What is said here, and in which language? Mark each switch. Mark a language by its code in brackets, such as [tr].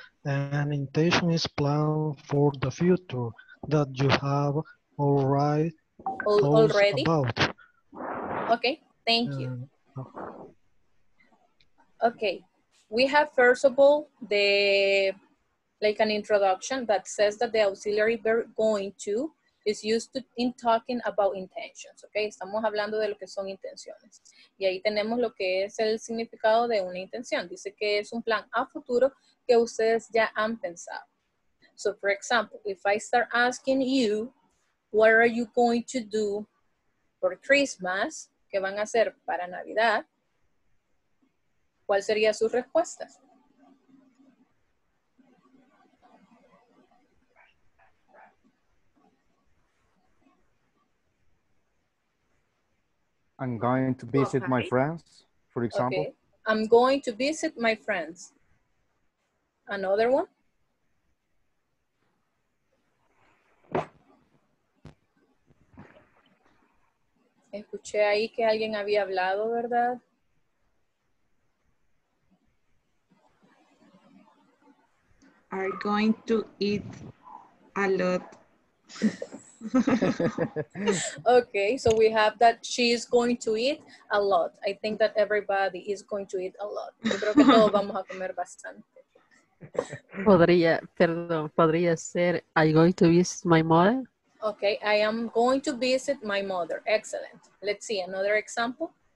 [en] An intention is planned for the future that you have already about. Okay, thank you. Okay, we have first of all the like an introduction that says that the auxiliary verb going to is used to, in talking about intentions. [es] Okay, estamos hablando de lo que son intenciones. Y ahí tenemos lo que es el significado de una intención. Dice que es un plan a futuro que ustedes ya han pensado. [en] So, for example, if I start asking you, what are you going to do for Christmas? [es] ¿Qué van a hacer para Navidad? ¿Cuál sería su respuesta? [en] I'm going to visit my friends, for example. Okay. I'm going to visit my friends. Another one? [es] Escuché ahí que alguien había hablado, ¿verdad? [en] Are going to eat a lot. Okay, so we have that she is going to eat a lot. I think that everybody is going to eat a lot. [es] Yo creo que todos vamos a comer bastante. Podría ser [en] I'm going to visit my mother. Okay, I am going to visit my mother. Excellent. Let's see another example.